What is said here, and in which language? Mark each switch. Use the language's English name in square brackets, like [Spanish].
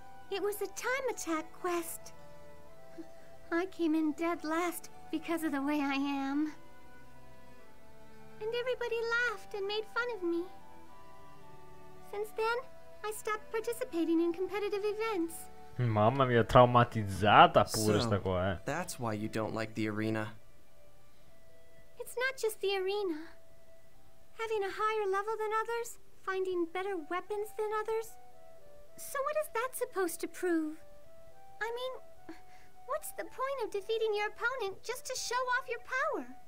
[English] It was a time attack quest. I came in dead last because of the way I am. And everybody laughed and made fun of me. Since then, I stopped participating in competitive events. [Italian] Mamma mia, traumatizzata pure sta qua, eh. [English] That's why you don't like the arena. It's not just the arena. Having a higher level than others, finding better weapons than others. So what is that supposed to prove? I mean, what's the point of defeating your opponent just to show off your power?